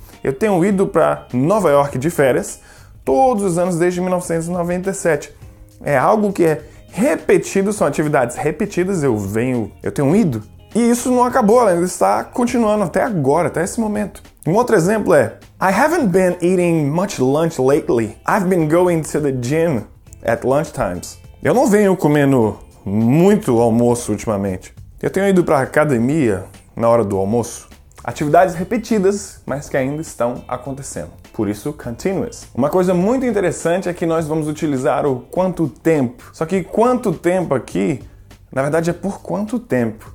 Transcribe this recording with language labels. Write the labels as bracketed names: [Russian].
[Portuguese] Eu tenho ido para Nova York de férias todos os anos desde 1997. É algo que é repetido, são atividades repetidas, eu tenho ido. E isso não acabou, ela ainda está continuando até agora, até esse momento. Um outro exemplo é [English] I haven't been eating much lunch lately. I've been going to the gym at lunch times. [Portuguese] Eu não venho comendo muito almoço ultimamente. Eu tenho ido para a academia na hora do almoço. Atividades repetidas, mas que ainda estão acontecendo. Por isso, continuous. Uma coisa muito interessante é que nós vamos utilizar o quanto tempo. Só que quanto tempo aqui, na verdade, é por quanto tempo.